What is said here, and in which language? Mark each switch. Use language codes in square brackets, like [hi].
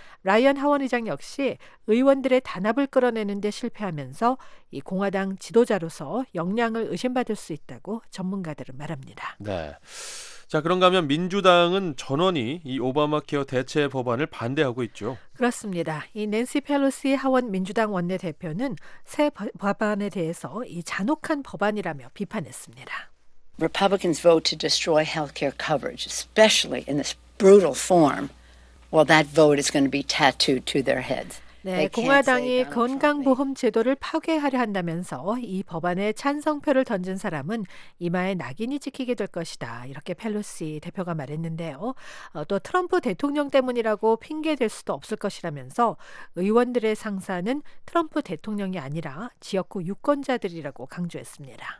[ko] 라이언 하원 의장 역시 의원들의 단합을 끌어내는 데 실패하면서 이 공화당 지도자로서 역량을 의심받을 수 있다고 전문가들은 말합니다. 네. 자, 그런가 하면 민주당은 전원이 이 오바마 케어 대체 법안을 반대하고 있죠. 그렇습니다. 이 낸시 펠로시 하원 민주당 원내대표는 새 법안에 대해서 이 잔혹한 법안이라며 비판했습니다. [en] Republicans vote to destroy healthcare coverage, especially in this brutal form. Well, that vote is going to be tattooed to their heads. [ko] 네, 공화당이 건강보험 제도를 파괴하려 한다면서 이 법안에 찬성표를 던진 사람은 이마에 낙인이 찍히게 될 것이다. 이렇게 펠로시 대표가 말했는데요. 또 트럼프 대통령 때문이라고 핑계될 수도 없을 것이라면서 의원들의 상사는 트럼프 대통령이 아니라 지역구 유권자들이라고 강조했습니다.